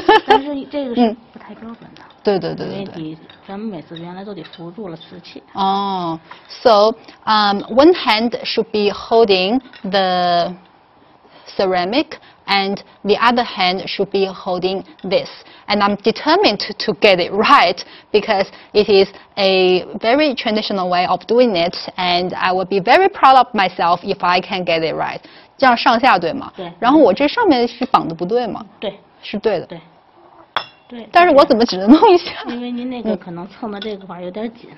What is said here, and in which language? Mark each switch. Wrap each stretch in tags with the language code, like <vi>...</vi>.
<zh>但是这个是不太标准的。对，因为咱们每次原来都得扶住了瓷器。</zh> <en>So, one hand should be holding the ceramic and the other hand should be holding this. And I'm determined to get it right because it is a very traditional way of doing it, and I will be very proud of myself if I can get it right.</en> <zh>这样上下对吗？对。然后我这上面是绑的不对吗？对。是对的。对。对，但是我怎么只能弄一下？因为您那个可能蹭的这个块有点紧。</zh>